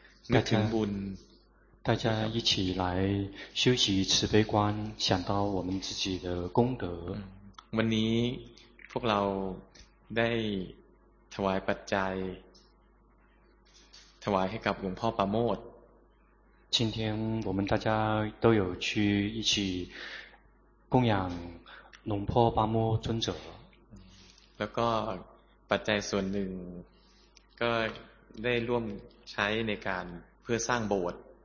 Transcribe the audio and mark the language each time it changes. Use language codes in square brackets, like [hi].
[th] นึกถึงบุญ [zh] 大家一起来修习慈悲观，想到我们自己的功德。 [th] วันนี้พวกเราได้ถวายปัจจัยถวายให้กับหลวงพ่อปราโมท [zh] 今天我们大家都有去一起供养龙婆巴莫尊者。 [th] แล้วก็ปัจจัยส่วนหนึ่งก็ได้ร่วมใช้ในการเพื่อสร้างโบสถ์